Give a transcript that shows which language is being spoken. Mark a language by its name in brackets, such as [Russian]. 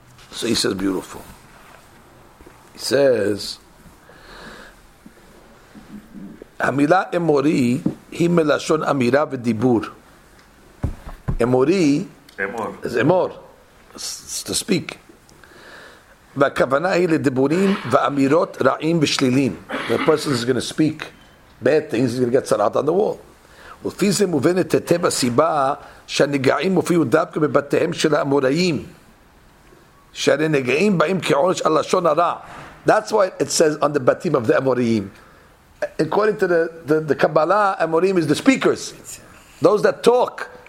[English] So he says, beautiful. He says, [Hebrew] Amila Emori, hi melashon amira v'dibur. Emori, Emor. [English] Is Emor. It's to speak. [Hebrew] V'akavana hi l'diburim v'amirot ra'im v'shlilim. [English] The person is going to speak bad things, he's going to get sarat on the wall. [Hebrew] ולפי זה מובנת היטב הסיבה שהנגעים מופיעו דווקא בבתיהם של האמוראים שהרי נגעים באים כעונש על לשון הרע. [English] That's why it says on the batim of the אמוראים. According to the Kabbalah, אמוראים is the speakers, those that talk.